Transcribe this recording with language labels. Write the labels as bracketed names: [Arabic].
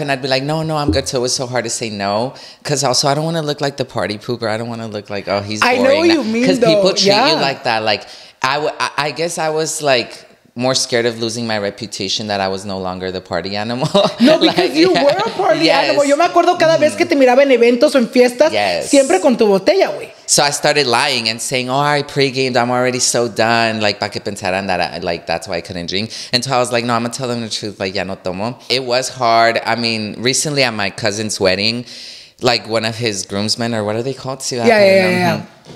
[English] And I'd be like, no, I'm good. So it was so hard to say no. Because also, I don't want to look like the party pooper. I don't want to look like, oh, he's boring. I know what you mean, though. Because people treat you like that. Like, I guess I was, like, more scared of losing my reputation that I was no longer the party animal. No, because like, you were a party animal. [Spanish] Yo me acuerdo cada vez que te miraba en eventos o en fiestas, siempre con tu botella, güey. [English] So I started lying and saying, oh, I pre-gamed, I'm already so done. Like, [Spanish] pa que pensaran [English] that, like, that's why I couldn't drink. And so I was like, no, I'm gonna tell them the truth, like, [Spanish] ya no tomo. [English] It was hard. I mean, recently at my cousin's wedding, like one of his groomsmen, or what are they called? See, yeah.